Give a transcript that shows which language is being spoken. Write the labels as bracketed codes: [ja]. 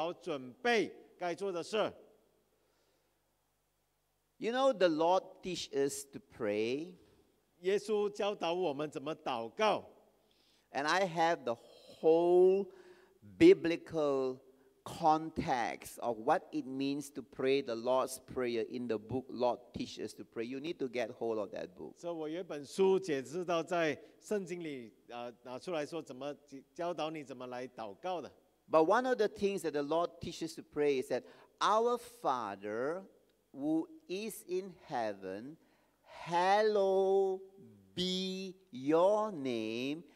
[zh] 所以我们成为这个教会，基督身体，我们应该要警醒，来做好准备该做的事。 [en] You know, the Lord teach us to pray. [zh] 耶稣教导我们怎么祷告。 [en] And I have the whole biblical context of what it means to pray the Lord's Prayer in the book Lord teach us to pray. You need to get hold of that book. [zh] 所以我有本书解释到在圣经里拿出来说怎么教导你怎么来祷告的。 [en] But one of the things that the Lord teach us to pray is that our Father who is in heaven, hallowed be your name.